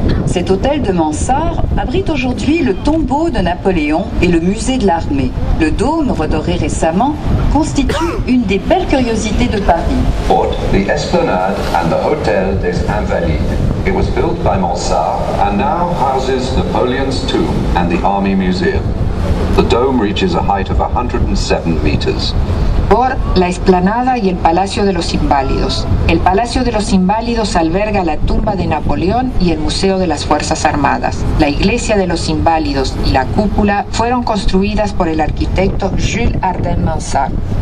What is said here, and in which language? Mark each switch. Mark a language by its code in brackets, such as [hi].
[fr] Cet hôtel de mansard abrite aujourd'hui le tombeau de Napoléon et le musée de l'armée. Le dôme, redoré récemment, constitue une des belles curiosités de Paris. [en] Fort, the Esplanade and the Hôtel des Invalides. It was built by Mansart and now houses Napoleon's tomb and the Army Museum. The dome reaches a height of 107 meters. [es] Por la esplanada y el Palacio de los Inválidos. El Palacio de los Inválidos alberga la tumba de Napoleón y el Museo de las Fuerzas Armadas. La Iglesia de los Inválidos y la cúpula fueron construidas por el arquitecto Jules Ardent Mansart.